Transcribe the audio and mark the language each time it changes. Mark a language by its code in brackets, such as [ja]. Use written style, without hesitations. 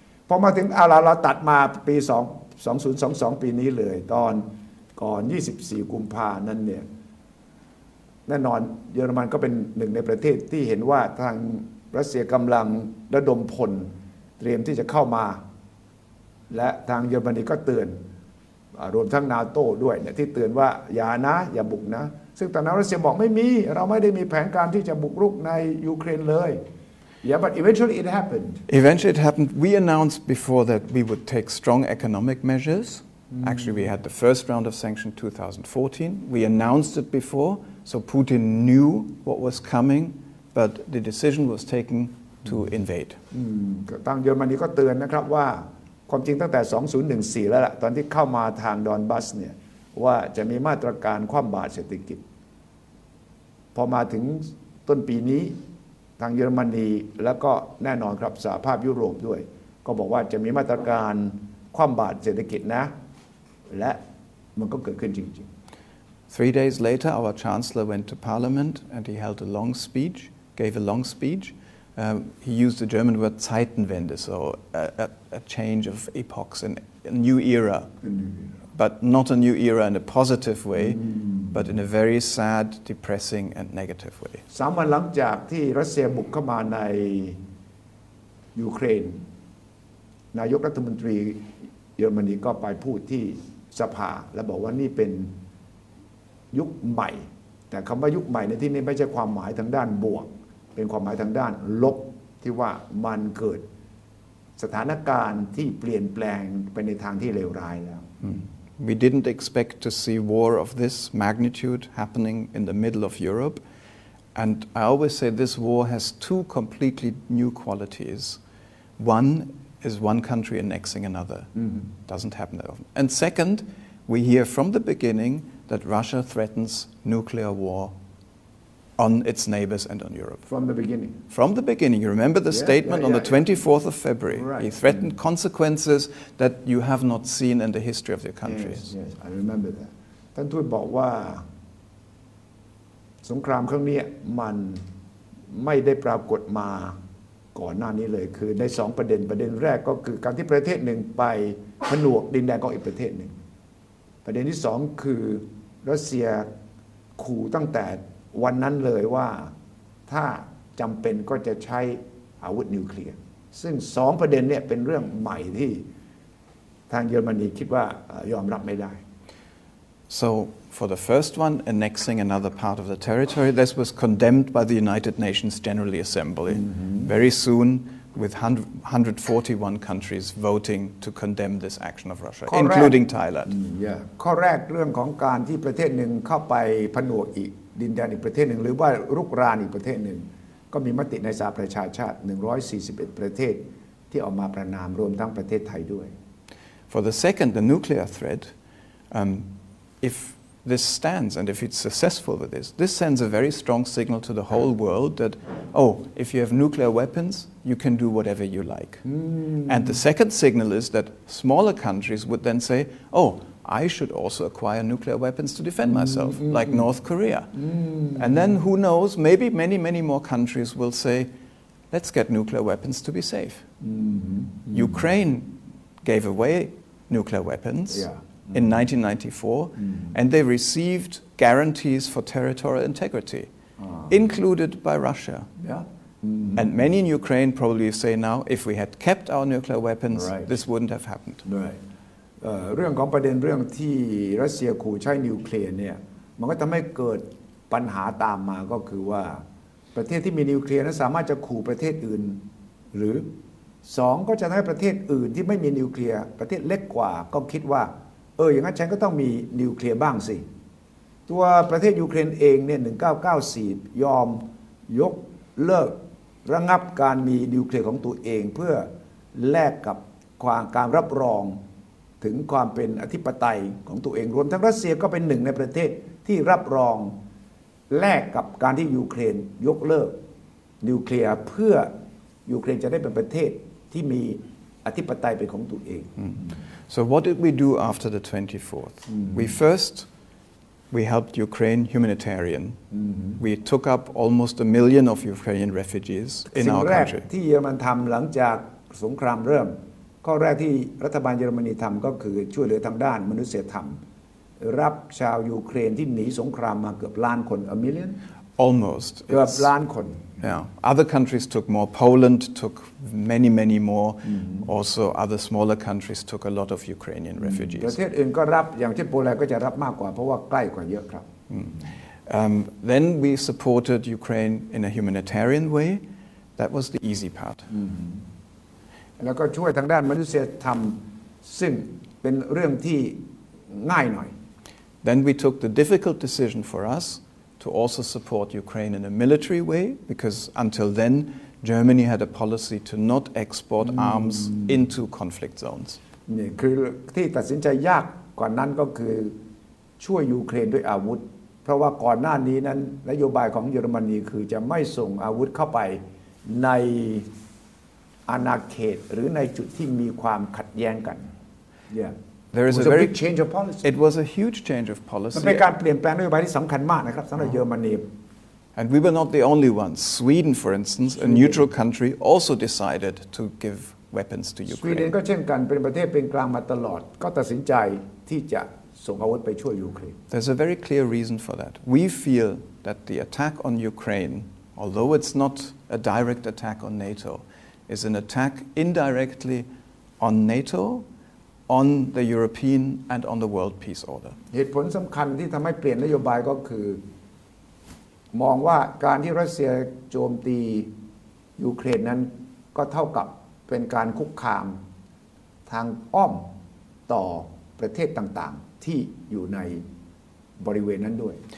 [th] พอมาถึงเราตัดมาปี2022ปีนี้เลยตอนก่อน24กุมภานั้นเนี่ยแน่นอนเยอรมันก็เป็นหนึ่งในประเทศที่เห็นว่าทางรัสเซียกำลังระดมพลเตรียมที่จะเข้ามาและทางเยอรมนีก็เตือนรวมทั้งนาโต้ด้วยเนี่ยที่เตือนว่าอย่านะอย่าบุกนะซึ่งตอนนั้นรัสเซียบอกไม่มีเราไม่ได้มีแผนการที่จะบุกรุกในยูเครนเลย [en] Yeah but eventually it happened Eventually it happened we announced before that we would take strong economic measures mm-hmm. actually we had the first round of sanctions 2014 we announced it beforeSo Putin knew what was coming, but the decision was taken to invade. [th] ทางเยอรมนีก็เตือนนะครับว่าความจริงตั้งแต่2014แล้วล่ะตอนที่เข้ามาทางดอนบัสเนี่ยว่าจะมีมาตรการคว่ำบาตรเศรษฐกิจพอมาถึงต้นปีนี้ทางเยอรมนีแล้วก็แน่นอนครับสหภาพยุโรปด้วยก็บอกว่าจะมีมาตรการคว่ำบาตรเศรษฐกิจนะและมันก็เกิดขึ้นจริงๆ [en] Three days later, our chancellor went to parliament and he held a long speech, gave a long speech. He used the German word Zeitenwende, so a change of epochs, a new era. But not a new era in a positive way, mm-hmm. but in a very sad, depressing and negative way. Some months after the Russian invasion of Ukraine, the Prime Minister of Germany went to the Parliament and said that this is [th] ยุคใหม่แต่คำว่ายุคใหม่ในที่นี้ไม่ใช่ความหมายทางด้านบวกเป็นความหมายทางด้านลบที่ว่ามันเกิดสถานการณ์ที่เปลี่ยนแปลงไปในทางที่เลวร้ายแล้ว [en] We didn't expect to see war of this magnitude happening in the middle of Europe and I always say this war has two completely new qualities one is one country annexing another doesn't happen that often and second we hear from the beginningthat Russia threatens nuclear war on its neighbors and on Europe. From the beginning. From the beginning. You remember the statement on the 24th of February. Right. He threatened consequences that you have not seen in the history of your country. Yes, yes, I remember that. [th] ท่านทูตบอกว่าสงครามครั้งนี้มันไม่ได้ปรากฏมา ก่อนหน้านี้เลยคือใน2ประเด็นประเด็นแรกก็คือการที่ประเทศหนึ่งไปผนวกดินแดนของอีกประเทศหนึ่งประเด็นที่2คือรัสเซียขู่ตั้งแต่วันนั้นเลยว่าถ้าจำเป็นก็จะใช้อาวุธนิวเคลียร์ซึ่ง2ประเด็นเนี่ยเป็นเรื่องใหม่ที่ทางเยอรมนีคิดว่ายอมรับไม่ได้ [en] So for the first one annexing another part of the territory this was condemned by the United Nations General Assembly very soon with 141 countries voting to condemn this action of Russia including Thailand [th] yeah ข้อแรกเรื่องของการที่ประเทศหนึ่งเข้าไปผนวกอีกดินแดนอีกประเทศหนึ่งหรือว่ารุกรานอีกประเทศหนึ่งก็มีมติในสหประชาชาติ141ประเทศที่ออกมาประณามรวมทั้งประเทศไทยด้วย [en] For the second the nuclear threat if this stands and if it's successful with this sends a very strong signal to the whole world that oh if you have nuclear weapons you can do whatever you like and the second signal is that smaller countries would then say oh I should also acquire nuclear weapons to defend myself like North Korea and then who knows maybe many many more countries will say let's get nuclear weapons to be safe Ukraine gave away nuclear weapons in 1994 and they received guarantees for territorial integrity included by Russia and many in Ukraine probably say now if we had kept our nuclear weapons this wouldn't have happened [th] เรื่องของประเด็นเรื่องที่รัสเซียขู่ใช้นิวเคลียร์เนี่ยมันก็ทำให้เกิดปัญหาตามมาก็คือว่าประเทศที่มีนิวเคลียร์นั้นสามารถจะขู่ประเทศอื่นหรือสองก็จะทำให้ประเทศอื่นที่ไม่มีนิวเคลียร์ประเทศเล็กกว่าก็คิดว่าอย่างนั้นฉันก็ต้องมีนิวเคลียร์บ้างสิ ตัวประเทศยูเครนเองเนี่ย1994ยอมยกเลิกระงับการมีนิวเคลียร์ของตัวเองเพื่อแลกกับความการรับรองถึงความเป็นอธิปไตยของตัวเองรวมทั้งรัสเซียก็เป็นหนึ่งในประเทศที่รับรองแลกกับการที่ยูเครนยกเลิกนิวเคลียร์เพื่อยูเครนจะได้เป็นประเทศที่มีอธิปไตยเป็นของตัวเอง [en] So what did we do after the 24th? We helped Ukraine humanitarian. We took up almost a million of Ukrainian refugees in our country. [th] สิ่งแรกที่เยอรมันทำหลังจากสงครามเริ่มข้อแรกที่รัฐบาลเยอรมนีทำก็คือช่วยเหลือทางด้านมนุษยธรรมรับชาวยูเครนที่หนีสงครามมาเกือบล้านคน [en] a million almost [th] เกือบล้านคน [en] other countries took more Poland took many many more also other smaller countries took a lot of Ukrainian refugees [th] ประเทศอื่นก็รับอย่างเช่นโปแลนด์ก็จะรับมากกว่าเพราะว่าใกล้กว่าเยอะครับ [en] then we supported Ukraine in a humanitarian way that was the easy part [th] แล้วก็ช่วยทางด้านมนุษยธรรมซึ่งเป็นเรื่องที่ง่ายหน่อย [en] Then we took the difficult decision for us to also support Ukraine in a military way because until then Germany had a policy to not export arms into conflict zones [th] นี่คือที่ตัดสินใจยากกว่านั้นก็คือช่วยยูเครนด้วยอาวุธเพราะว่าก่อนหน้านี้นั้นนโยบายของเยอรมนีคือจะไม่ส่งอาวุธเข้าไปในอาณาเขตหรือในจุดที่มีความขัดแย้งกัน yeah [en] there is a very big change of policy it was a huge change of policy [th] มันเป็นการเปลี่ยนแปลงนโยบายที่สำคัญมากนะครับสำหรับเยอรมนี [en] and we were not the only ones Sweden for instance a neutral country also decided to give weapons to Ukraine [th] Sweden ก็เช่นกันเป็นประเทศเป็นกลางมาตลอดก็ตัดสินใจที่จะส่งอาวุธไปช่วยยูเครน [en] there's a very clear reason for that we feel that the attack on Ukraine although it's not a direct attack on NATOis an attack indirectly on NATO, on the European, and on the world peace order. [th] เหตุผลสำคัญที่ทำให้เปลี่ยนนโยบายก็คือมองว่าการที่รัสเซียโจมตียูเครนนั้นก็เท่ากับเป็นการคุกคามทางอ้อมต่อประเทศต่างๆที่อยู่ในบริเวณนั้นด้วย